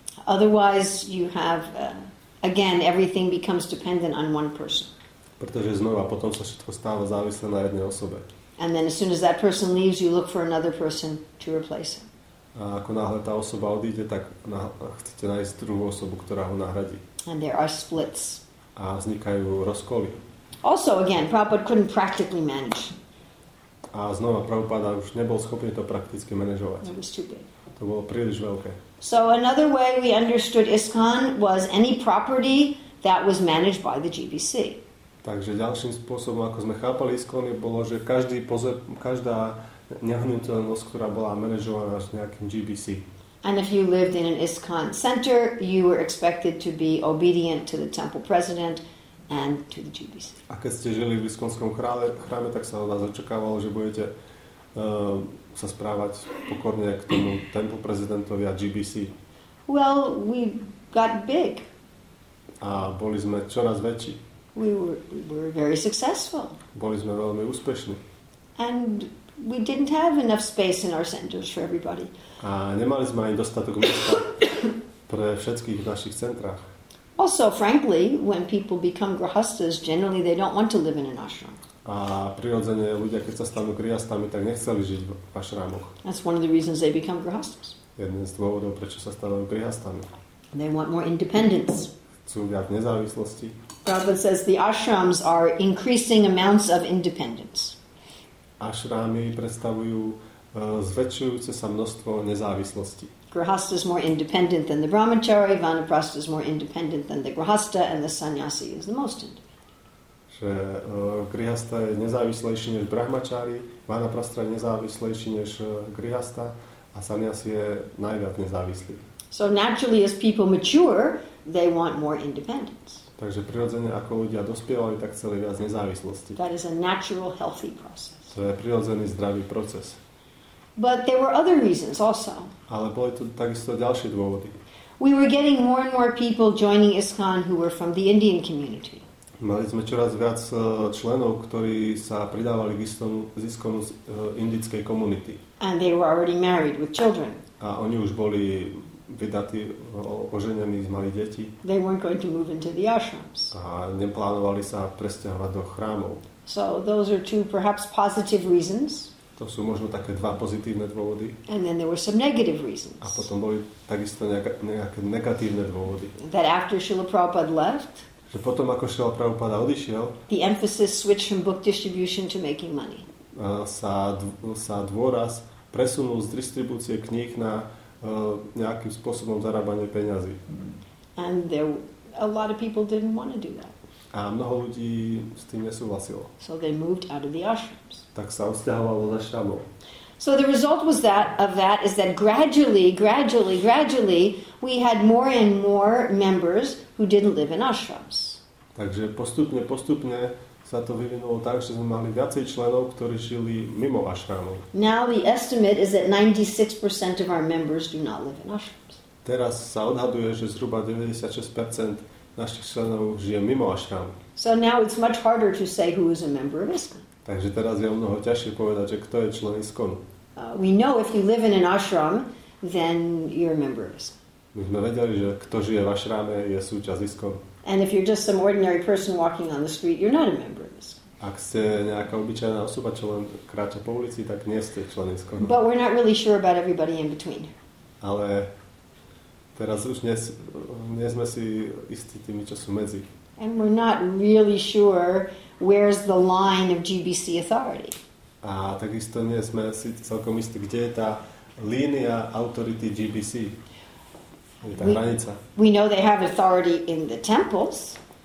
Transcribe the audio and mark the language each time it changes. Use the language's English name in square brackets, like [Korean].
[English] Otherwise you have again everything becomes dependent on one person. [Slovak] Pretože znova potom sa všetko stáva závislé na jednej osobe. [English] And then as soon as that person leaves, you look for another person to replace him. [Slovak] A ako náhle tá osoba odíde, tak chcete nájsť druhú osobu, ktorá ho nahradí. [English] And there are splits. [Slovak] A vznikajú rozkoly. [English] Also, again, Prabhupada couldn't practically manage. [Slovak] A znova, Prabhupada už nebol schopný to prakticky manažovať. [English] It was too big. [Slovak] To bolo príliš veľké. [English] So another way we understood ISKCON was any property that was managed by the GBC. [Slovak] Takže ďalším spôsobom, ako sme chápali ISKCON, bolo, že každá nehnuteľnosť, ktorá bola manažovaná s nejakým GBC. [English] And if you lived in an ISKCON center, you were expected to be obedient to the temple president and to the GBC. [Slovak] A keď ste žili v ISKCONskom chráme, tak sa od vás očakávalo, že budete sa správať pokorne k tomu temple prezidentovi a GBC. [English] Well, we got big. [Slovak] A boli sme čoraz väčší. [English] We were very successful. [Slovak] Boli sme veľmi úspešní. [English] And we didn't have enough space in our centers for everybody. [Slovak] A nemali sme ani dostatok miesta pre všetkých v našich centrách. [English] Also, frankly, when people become grihastas, generally they don't want to live in an ashram. [Slovak] A prirodzene ľudia, keď sa stanú grihastami, tak nechceli žiť v ashramoch. [English] That's one of the reasons they become grihastas. [Slovak] Jeden z dôvodov, prečo sa stanú grihastami. [English] They want more independence. [Slovak] Chcú viac nezávislosti. [English] Prabhupada says the ashrams are increasing amounts of independence. [Slovak] Ashrámy predstavujú zväčšujúce sa množstvo nezávislosti. [English] Grihasta is more independent than the brahmachari, vanaprastha is more independent than the grihasta, and the sannyasi is the most independent. [Slovak] Že grihasta je nezávislejší než brahmachari, vanaprastha je nezávislejší než grihasta a sannyasi je najviac nezávislý. [English] So naturally as people mature, they want more independence. [Slovak] Takže prirodzene ako ľudia dospievali, tak chceli viac nezávislosti. [English] That is a natural healthy process. [Slovak] To je prirodzený zdravý proces. [English] But there were other reasons also. [Slovak] Ale boli tu takisto ďalšie dôvody. [English] We were getting more and more people joining ISKCON who were from the Indian community. [Slovak] Mali sme čoraz viac členov, ktorí sa pridávali k ISKCONu z indickej komunity. [English] And they were already married with children. [Slovak] A oni už boli vydatí, oženení, mali deti. [English] They weren't going to move into the ashrams. [Slovak] A neplánovali sa presťahovať do chrámov. [English] So those are two perhaps positive reasons. [Slovak] To sú možno také dva pozitívne dôvody. [English] And then there were some negative reasons. [Slovak] A potom boli takisto nejaké negatívne dôvody. [English] That after Srila Prabhupada left, [Slovak] že potom ako Srila Prabhupada odišiel, [English] the emphasis switched from book distribution to making money. [Slovak] Sa dôraz presunul z distribúcie kníh na nejakým spôsobom zarábanie peňazí. [English] And there a lot of people didn't want to do that. [Slovak] A mnoho ľudí s tým nesúhlasilo. [English] So they moved out of the ashrams. [Slovak] Tak sa odsťahovalo z ashramov. [English] So the result was that of that is that gradually we had more and more members who didn't live in ashrams. [Slovak] Takže postupne sa to vyvinulo tak, že sme mali viacej členov, ktorí žili mimo ashramov. [English] Now the estimate is that 96% of our members do not live in ashrams. [Slovak] Teraz sa odhaduje, že zhruba 96% našich členov žije mimo ashram. [English] So now it's much harder to say who is a member of ISKCON. [Slovak] Takže teraz je o mnoho ťažšie povedať, že kto je člen ISKCON. [English] We know if you live in an ashram, then you're a member of ISKCON. [Slovak] My sme vedeli, že kto žije v ashrame, je súčasť ISKCON. [English] And if you're just some ordinary person walking on the street, you're not a member of ISKCON. [Slovak] Ak ste nejaká obyčajná osoba, čo len kráča po ulici, tak nie ste člen ISKCON. [English] But we're not really sure about everybody in between. [Slovak] Ale teraz už nie sme si istí tými, čo sú medzi. [English] And we're not really sure where's the line of GBC authority. [Slovak] A takisto nie sme si celkom istí, kde je tá línia autority GBC. Je tá hranica. [English] We know they have authority in the temples.